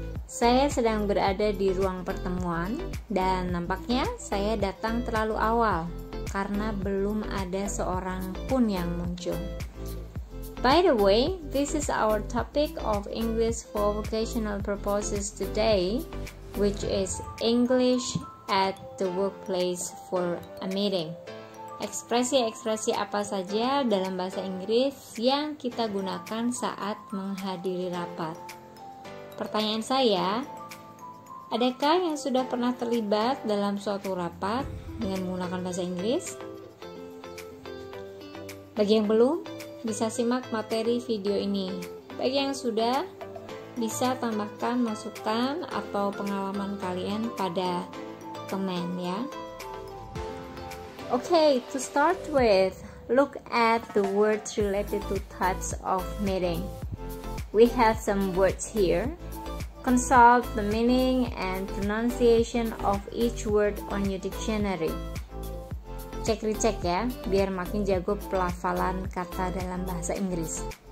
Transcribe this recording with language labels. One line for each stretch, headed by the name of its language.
Indonesian: Saya sedang berada di ruang pertemuan dan nampaknya saya datang terlalu awal karena belum ada seorang pun yang muncul.
English: By the way, this is our topic of English for vocational purposes today, which is English at the workplace for a meeting.
Indonesian: Ekspresi-ekspresi apa saja dalam bahasa Inggris yang kita gunakan saat menghadiri rapat. Pertanyaan saya, adakah yang sudah pernah terlibat dalam suatu rapat dengan menggunakan bahasa Inggris? Bagi yang belum, bisa simak materi video ini. Bagi yang sudah, bisa tambahkan masukan atau pengalaman kalian pada komen ya.
English: Okay, to start with, look at the words related to types of meeting. We have some words here. Consult the meaning and pronunciation of each word on your dictionary.
Indonesian: Cek-recek ya, biar makin jago pelafalan kata dalam bahasa Inggris.